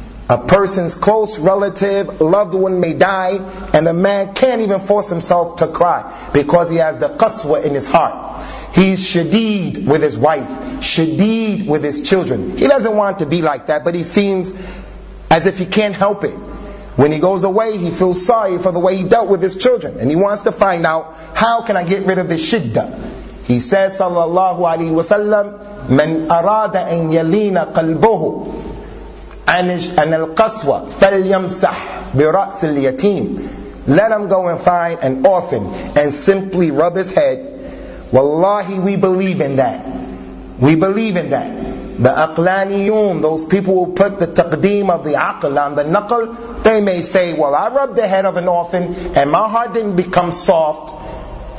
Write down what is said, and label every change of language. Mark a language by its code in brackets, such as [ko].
[en] A person's close relative, loved one may die, and the man can't even force himself to cry because he has the qaswa in his heart. He's shadeed with his wife, shadeed with his children. He doesn't want to be like that, but he seems as if he can't help it. When he goes away, he feels sorry for the way he dealt with his children, and he wants to find out, how can I get rid of this shidda? He says, [ar] sallallahu alayhi wa sallam, من أراد أن يلين قلبه عن القسوة فليمسح برأس اليتيم. [en] Let him go and find an orphan and simply rub his head. Wallahi, we believe in that. We believe in that. The aqlaniyun, those people who put the taqdeem of the aql on the naql, they may say, well, I rubbed the head of an orphan and my heart didn't become soft.